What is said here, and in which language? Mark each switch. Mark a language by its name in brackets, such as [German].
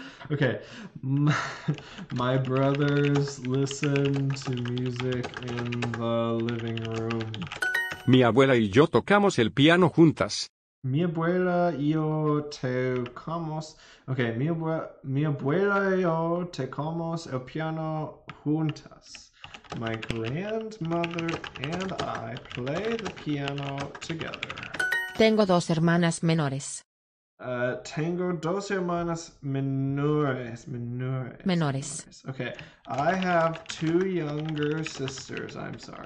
[English] Okay, my brothers listen to music in the living room. [Spanish] Mi abuela y yo tocamos el piano juntas. Mi abuela y yo tocamos. Okay, mi abuela y yo tocamos el piano juntas. [English] My grandmother and I play the piano together. [Spanish] Tengo dos hermanas menores. Tengo dos hermanas menores, menores, menores. [English] Okay, I have two younger sisters. I'm sorry.